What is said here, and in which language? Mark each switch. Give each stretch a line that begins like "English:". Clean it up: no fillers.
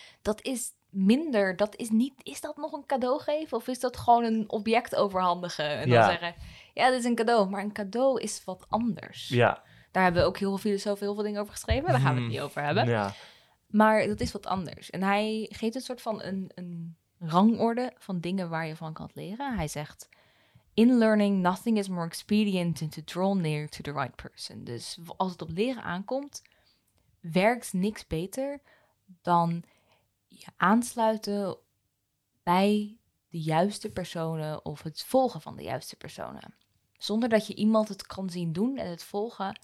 Dutch: Dat is minder, dat is niet, is dat nog een cadeau geven of is dat gewoon een object overhandigen en dan zeggen, ja, dit is een cadeau, maar een cadeau is wat anders. Ja. Daar hebben we ook heel veel filosofen heel veel dingen over geschreven. Daar gaan we het niet over hebben. Ja. Maar dat is wat anders. En hij geeft een soort van een rangorde van dingen waar je van kan leren.
English: Hij zegt, in learning, nothing is more expedient than to draw near to the right person.
Dutch: Dus als het op leren aankomt, werkt niks beter dan je aansluiten bij de juiste personen of het volgen van de juiste personen. Zonder dat je iemand het kan zien doen en het volgen,